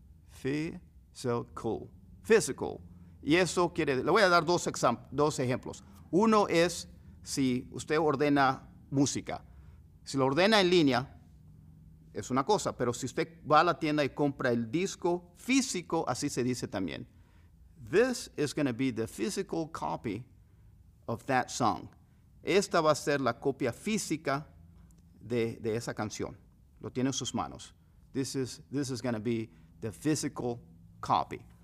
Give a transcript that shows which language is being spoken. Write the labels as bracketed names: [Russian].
[Spanish] Physical. Physical. Y eso quiere, le voy a dar dos ejemplos. Uno es si usted ordena música. Si lo ordena en línea, es una cosa. Pero si usted va a la tienda y compra el disco físico, así se dice también. [English] This is going to be the physical copy of that song. [Spanish] Esta va a ser la copia física de esa canción. Lo tiene en sus manos. [English] This is going to be the physical copy.